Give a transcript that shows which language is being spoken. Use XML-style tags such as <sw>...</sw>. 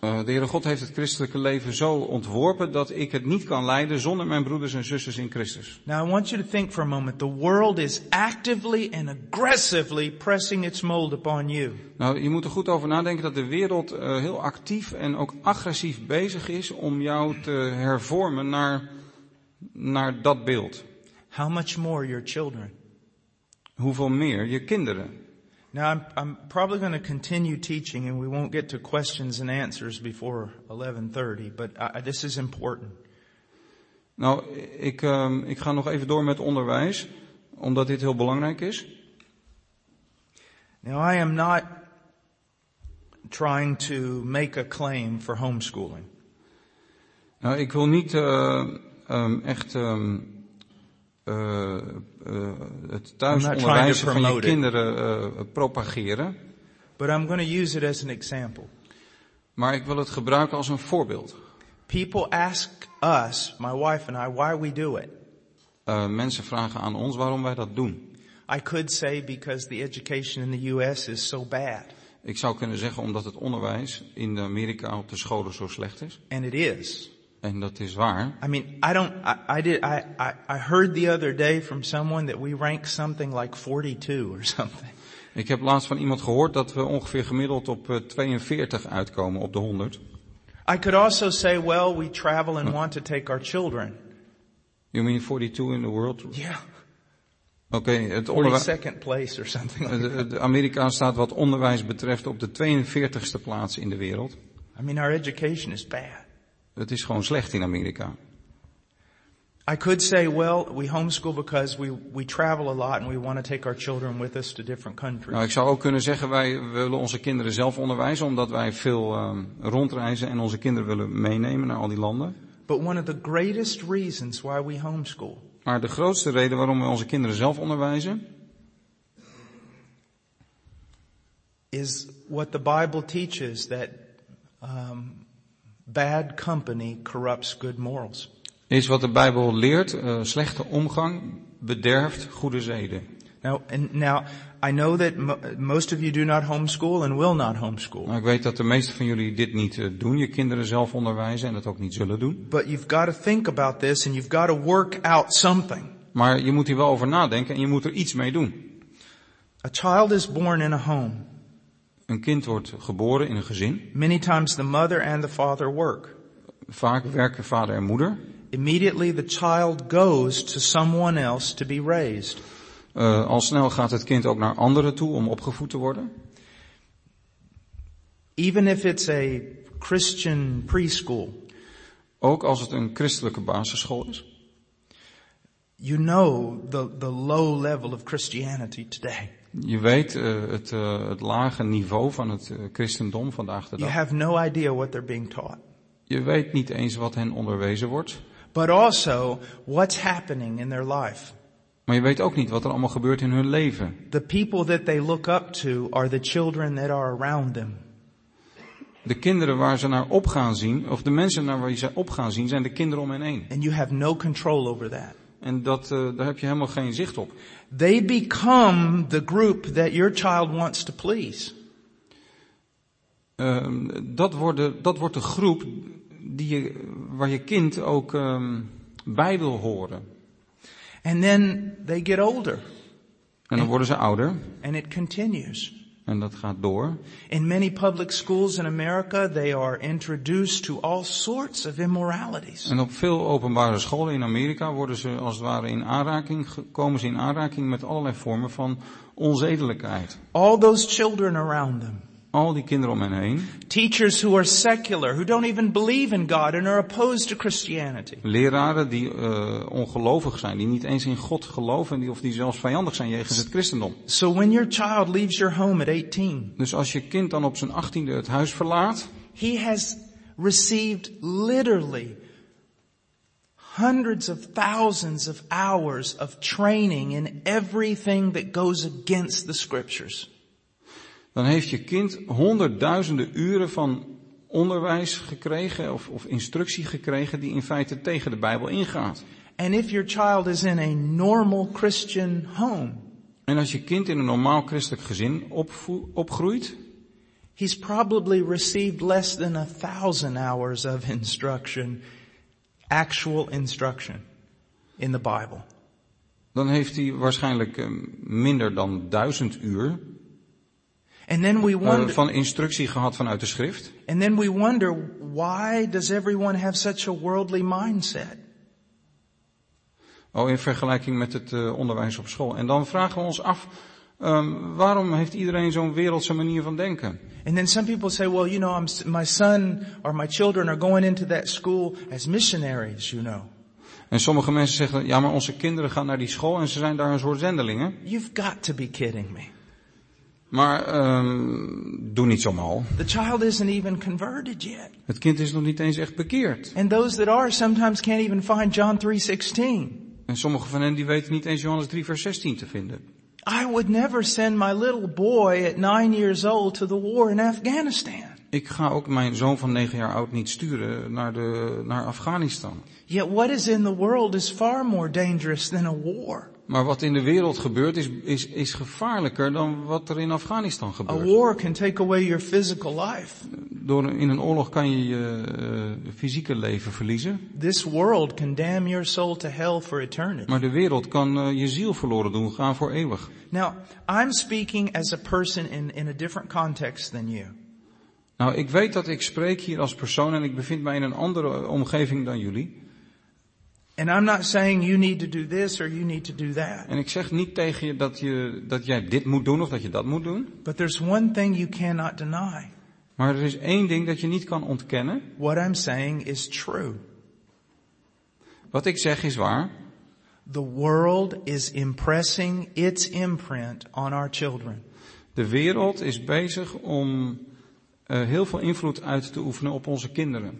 <nl>De Heere God heeft het christelijke leven zo ontworpen dat ik het niet kan leiden zonder mijn broeders en zusters in Christus.</nl> <en>Now I want you to think for a moment. The world is actively and aggressively pressing its mold upon you.</en> <nl>Nou, je moet er goed over nadenken dat de wereld heel actief en ook agressief bezig is om jou te hervormen naar dat beeld.</nl> <en>How much more your children?</en> <nl>Hoeveel meer je kinderen.</nl> <en>Now I'm probably going to continue teaching and we won't get to questions and answers before 11:30, but this is important.</en> <nl>Nou, ik ga nog even door met onderwijs omdat dit heel belangrijk is.</nl> <en>Now I am not trying to make a claim for homeschooling.</en> <nl>Nou, ik wil niet het thuisonderwijs van je kinderen propageren.</nl> <en>But I'm going to use it as an example.</en> <nl>Maar ik wil het gebruiken als een voorbeeld.</nl> <en>People ask us, my wife and I, why we do it.</en> <nl>Mensen vragen aan ons waarom wij dat doen.</nl> <en>I could say because the education in the US is so bad.</en> <nl>Ik zou kunnen zeggen omdat het onderwijs in Amerika op de scholen zo slecht is.</nl> <en>And it is.</en> <nl>En dat is waar.</nl> <en>I mean, I heard the other day from someone that we rank something like 42 or something.</en> <nl>Ik heb laatst van iemand gehoord dat we ongeveer gemiddeld op 42 uitkomen op de 100.</nl> <en>I could also say, well, we travel and want to take our children. You mean 42 in the world? Yeah.</en> <nl>Okay, het</nl> <en>42nd place or something.</en> <nl>De Amerika staat wat onderwijs betreft op de 42ste plaats in de wereld.</nl> <en>I mean, our education is bad.</en> <nl>Het is gewoon slecht in Amerika.</nl> <en>I could say, well, we homeschool because we travel a lot and we want to take our children with us to different countries.</en> <nl>Nou, ik zou ook kunnen zeggen, wij willen onze kinderen zelf onderwijzen omdat wij veel rondreizen en onze kinderen willen meenemen naar al die landen.</nl> <en>But one of the greatest reasons why we homeschool.</en> <nl>Maar de grootste reden waarom we onze kinderen zelf onderwijzen</nl> <en>is what the Bible teaches that bad company corrupts good morals.</en> <nl>Is wat de Bijbel leert, slechte omgang bederft goede zeden.</nl> <en>Now I know that most of you do not homeschool and will not homeschool.</en> <nl>Nou, ik weet dat de meeste van jullie dit niet doen, je kinderen zelf onderwijzen en dat ook niet zullen doen.</nl> <en>But you've got to think about this and you've got to work out something.</en> <nl>Maar je moet hier wel over nadenken en je moet er iets mee doen.</nl> <en>A child is born in a home.</en> <nl>Een kind wordt geboren in een gezin.</nl> <en>Many times the mother and the father work.</en> <nl>Vaak werken vader en moeder.</nl> <en>Immediately the child goes to someone else to be raised.</en> <nl>Al snel gaat het kind ook naar anderen toe om opgevoed te worden.</nl> <en>Even if it's a Christian preschool.</en> <nl>Ook als het een christelijke basisschool is.</nl> <en>You know the low level of Christianity today.</en> <nl>Je weet het lage niveau van het christendom vandaag de dag.</nl> <en>You have no idea what they're being taught.</en> <nl>Je weet niet eens wat hen onderwezen wordt.</nl> <en>But also what's happening in their life.</en> <nl>Maar je weet ook niet wat er allemaal gebeurt in hun leven.</nl> <en>The people that they look up to are the children that are around them.</en> <nl>De kinderen waar ze naar op gaan zien, of de mensen naar waar ze op gaan zien, zijn de kinderen om hen heen.</nl> <en>And you have no control over that.</en> <nl>En dat daar heb je helemaal geen zicht op.</nl> <en>They become the group that your child wants to please.</en> <nl>Dat wordt de groep die je, waar je kind ook bij wil horen.</nl> <en>And then they get older.</en> <nl>En dan worden ze ouder.</nl> <en>And it continues.</en> <nl>En dat gaat door.</nl> <en>In many public schools in America, they are introduced to all sorts of immoralities.</en> <nl>En op veel openbare scholen in Amerika worden ze als het ware in aanraking, komen ze in aanraking met allerlei vormen van onzedelijkheid.</nl> <en>All those children around them.</en> <nl>Al die kinderen om hen heen.</nl> <en>Teachers who are secular, who don't even believe in God and are opposed to Christianity.</en> <nl>Leraren die ongelovig zijn, die niet eens in God geloven, of die zelfs vijandig zijn jegens het christendom.</nl> <en>So when your child leaves your home at 18.</en> <nl>Dus als je kind dan op zijn 18e het huis verlaat.</nl> <en>He has received literally hundreds of thousands of hours of training in everything that goes against the scriptures.</en> <nl>Dan heeft je kind honderdduizenden uren van onderwijs gekregen of instructie gekregen die in feite tegen de Bijbel ingaat.</nl> <en>And if your child is in a normal Christian home,</en> <nl>en als je kind in een normaal christelijk gezin opgroeit,</nl> <en>he's probably received less than 1,000 hours of instruction, actual instruction in the Bible.</en> <nl>Dan heeft hij waarschijnlijk minder dan 1,000 uur.</nl> <en>And then we wonder,</en> <nl>van instructie gehad vanuit de schrift.</nl> <en>And then we wonder, why does everyone have such a worldly mindset?</en> <nl>Oh, in vergelijking met het onderwijs op school. En dan vragen we ons af, waarom heeft iedereen zo'n wereldse manier van denken?</nl> <en>And then some people say, well, you know, my son or my children are going into that school as missionaries, you know.</en> <nl>En sommige mensen zeggen, ja, maar onze kinderen gaan naar die school en ze zijn daar een soort zendelingen.</nl> <en>You've got to be kidding me.</en> <nl>Maar doe niet zo mal.</nl> <en>The child isn't even converted yet.</en> <nl>Het kind is nog niet eens echt bekeerd.</nl> <en>And those that are sometimes can't even find John 3:16.</en> <nl>En sommige van hen die weten niet eens Johannes 3 vers 16 te vinden.</nl> <en>I would never send my little boy at 9 years old to the war in Afghanistan.</en> <nl>Ik ga ook mijn zoon van 9 jaar oud niet sturen naar Afghanistan.</nl> <en>Yet what is in the world is far more dangerous than a war.</en> <nl>Maar wat in de wereld gebeurt is gevaarlijker dan wat er in Afghanistan gebeurt.</nl> <en>A war can take away your physical life.</en> <nl>In een oorlog kan je je fysieke leven verliezen.</nl> <en>This world can damn your soul to hell for eternity.</en> <nl>Maar de wereld kan je ziel verloren doen gaan voor eeuwig.</nl> <en>Now, I'm speaking as a person in a different context than you.</en> <nl>Nou, ik weet dat ik spreek hier als persoon en ik bevind mij in een andere omgeving dan jullie.</nl> <en>And I'm not saying you need to do this or you need to do that.</en> <nl>En ik zeg niet tegen je dat jij dit moet doen of dat je dat moet doen.</nl> <en>But there's one thing you cannot deny.</en> <nl>Maar er is één ding dat je niet kan ontkennen.</nl> <en>What I'm saying is true.</en> <nl>Wat ik zeg is waar.</nl> <en>The world is impressing its imprint on our children.</en> <nl>De wereld is bezig om heel veel invloed uit te oefenen op onze kinderen.</nl>